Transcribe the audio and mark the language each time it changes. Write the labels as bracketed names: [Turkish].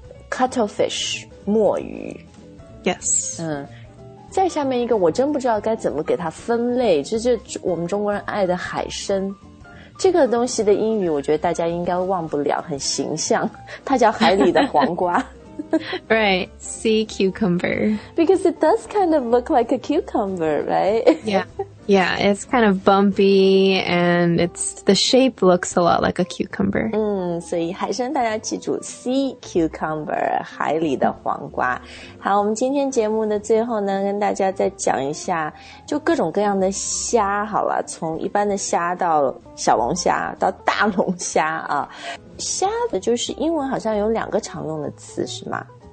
[English] Cuttlefish 墨鱼 Yes. [Chinese] 再下面一个我真不知道该怎么给它分类，这是我们中国人爱的海参，这个东西的英语我觉得大家应该忘不了，很形象，它叫海里的黄瓜 [English] Right, sea cucumber. Because it does kind of look like a cucumber, right? Yeah, it's kind of bumpy and the shape looks a lot like a cucumber. [Chinese] 所以海参大家记住 sea cucumber, 海里的黄瓜。好，我们今天节目的最后呢，跟大家再讲一下，就各种各样的虾好了，从一般的虾到小龙虾到大龙虾啊。虾的就是英文好像有两个常用的词是吗？